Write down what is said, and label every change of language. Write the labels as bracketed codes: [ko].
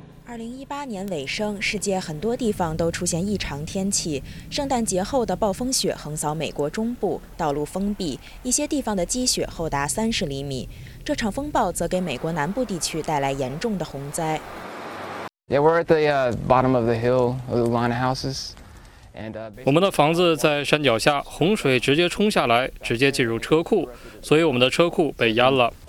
[zh] 2018年尾声，世界很多地方都出现异常天气。圣诞节后的暴风雪横扫美国中部，道路封闭，一些地方的积雪厚达30厘米。这场风暴则给美国南部地区带来严重的洪灾。 [en] Yeah, we're at the bottom of the hill, the line of houses. [zh] 我们的房子在山脚下，洪水直接冲下来，直接进入车库，所以我们的车库被淹了。